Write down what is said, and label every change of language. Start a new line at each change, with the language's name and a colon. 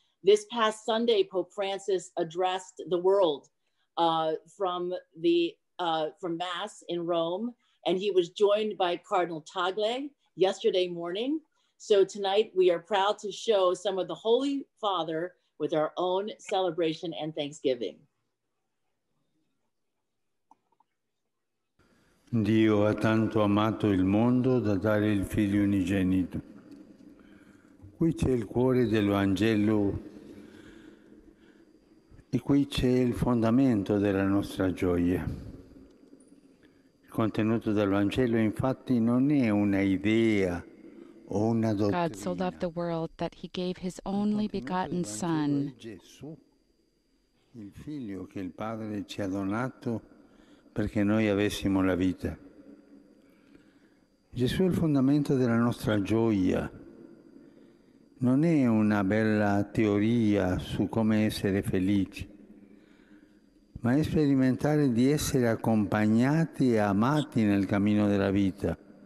English: This past Sunday, Pope Francis addressed the world from Mass in Rome. And he was joined by Cardinal Tagle yesterday morning. So tonight we are proud to show some of the Holy Father with our own celebration and thanksgiving.
Italian: Dio ha tanto amato il mondo da dare il figlio unigenito. Qui c'è il cuore del Vangelo e qui c'è il fondamento della nostra gioia. Il contenuto del Vangelo, infatti, non è una idea o una dottrina.
English: God so loved the world that he gave his only begotten Son.
Italian: Il figlio che il Padre ci ha donato perché noi avessimo la vita. Gesù è il fondamento della nostra gioia. Non è una bella teoria su come essere felici, ma è sperimentare di essere accompagnati e amati nel cammino della vita.